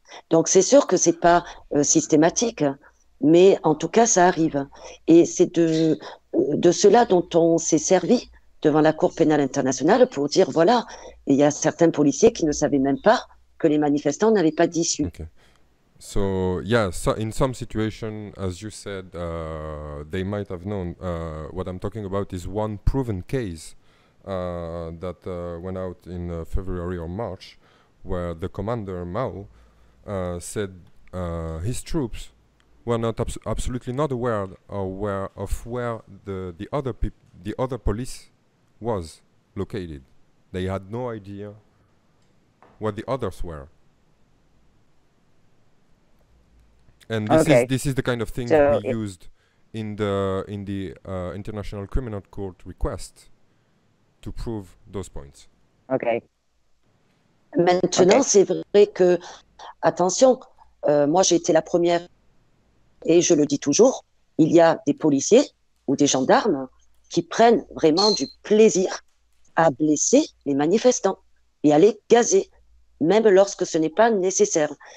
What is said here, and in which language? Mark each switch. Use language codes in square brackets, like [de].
[fr] Donc c'est sûr que c'est pas systématique, mais en tout cas ça arrive. Et c'est de cela dont on s'est servi devant la Cour pénale internationale pour dire voilà, il y a certains policiers qui ne savaient même pas que les manifestants n'avaient pas d'issue. [en] Okay. So, yeah, so in some situation, as you said, they might have known. What I'm talking about is one proven case that went out in February or March, where the commander Mao said his troops were not absolutely not aware of where the other police was located. They had no idea what the others were. And this is the kind of thing we used in the International Criminal Court request to prove those points. Okay. [fr] Maintenant, okay. C'est vrai que, attention, moi j'ai été la première, et je le dis toujours, il y a des policiers ou des gendarmes qui prennent vraiment du plaisir à blesser les manifestants et à les gazer, même lorsque ce n'est pas nécessaire.